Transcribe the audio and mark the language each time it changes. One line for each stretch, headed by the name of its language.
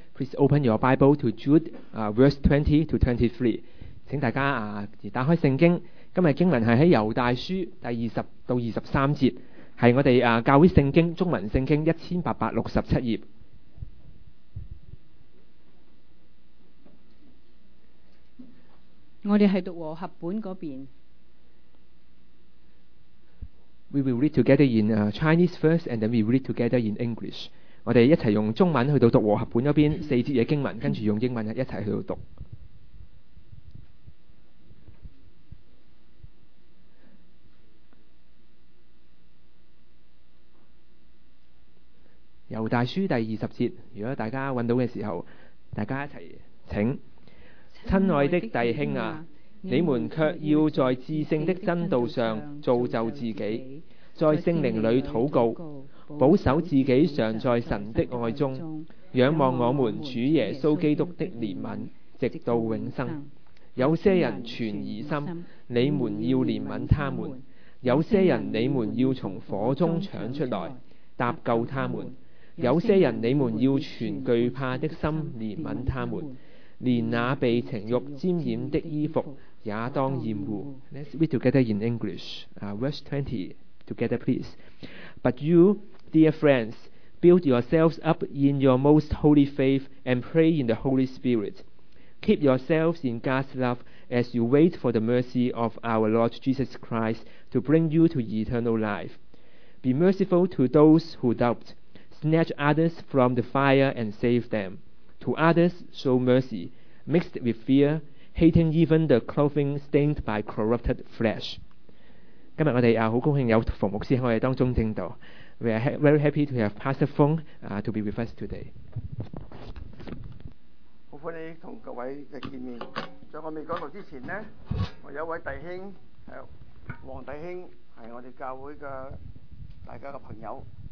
English: Please open your Bible to Jude, verse 20 to 23.
Chinese: 请大家打开圣经。今日经文是在犹大书第20到23节，是我们教会圣经中文圣经1867页。我们是读和合本那边。
English: We will read together in Chinese first, and then we read together in English.
Chinese: 我们一起用中文去读和合本那边四节的经文，跟着用英文一起去读。犹大书第二十节，如果大家找到的时候，大家一起请。亲爱的弟兄啊，你们却要在至圣的真道上造就自己，在圣灵里祷告，保守自己常在神的爱中，仰望我们主耶稣基督的怜悯，直到永生。有些人存疑心，你们要怜悯他们；有些人你们要从火中抢出来，搭救他们；有些人你们要存惧怕的心怜悯他们。连那被情欲沾染的衣服也当厌恶。
English: Let's read together in English. Verse 20, together please. But you, dear friends, build yourselves up in your most holy faith and pray in the Holy Spirit. Keep yourselves in God's love as you wait for the mercy of our Lord Jesus Christ to bring you to eternal life. Be merciful to those who doubt. Snatch others from the fire and save them. To others, show mercy, mixed with fear, hating even the clothing stained by corrupted flesh.
Chinese: 今天我们很高兴有冯牧师在我们当中正道。
English: We are very happy to have Pastor Feng to be with us today.
Chinese: 好欢迎同各位的见面。在我未讲到之前呢，我有一位弟兄，王弟兄，是我们教会的大家的朋友。